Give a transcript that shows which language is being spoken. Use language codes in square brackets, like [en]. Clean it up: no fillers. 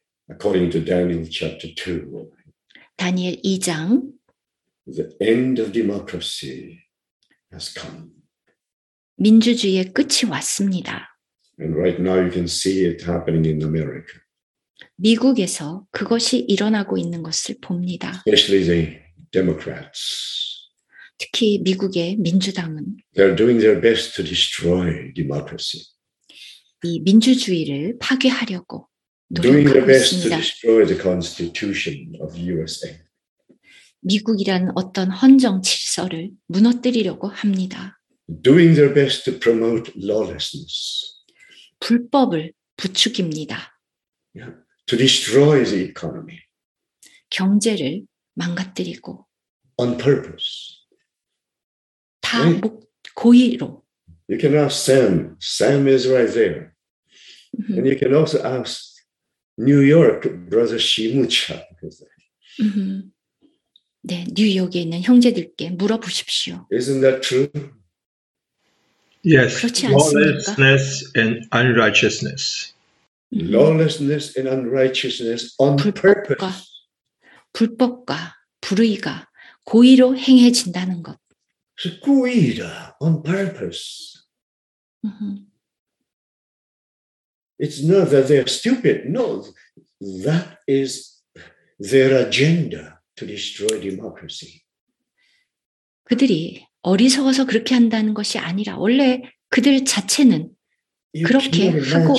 [en] According to Daniel chapter 2. [ko] 다니엘 2장. [en] The end of democracy has come. [ko] 민주주의의 끝이 왔습니다. [en] And right now you can see it happening in America. [ko] 미국에서 그것이 일어나고 있는 것을 봅니다. [en] Especially the Democrats. [ko] 특히 미국의 민주당은 [en] They're doing their best to destroy democracy. [ko] 이 민주주의를 파괴하려고 노력하고 있습니다. [en] Doing the best to destroy the Constitution of USA. [ko] 미국이란 어떤 헌정 질서를 무너뜨리려고 합니다. [en] Doing their best to promote lawlessness. [ko] 불법을 부추깁니다. [en] To destroy the economy. [ko] 경제를 망가뜨리고. [en] On purpose. [ko] 다 고의로. [en] You can ask Sam. Sam is right there. And you can also ask New York brother Shimucha. [ko] 네, 뉴욕에 있는 형제들께 물어보십시오. [en] Isn't that true? Yes, lawlessness and unrighteousness. Lawlessness and unrighteousness on purpose. [ko] 불법과 불의가 고의로 행해진다는 것. 고의다, [en] on purpose. It's not that they're stupid. No, that is their agenda to destroy democracy. [ko] 그들이 어리석어서 그렇게 한다는 것이 아니라 원래 그들 자체는 그렇게 하고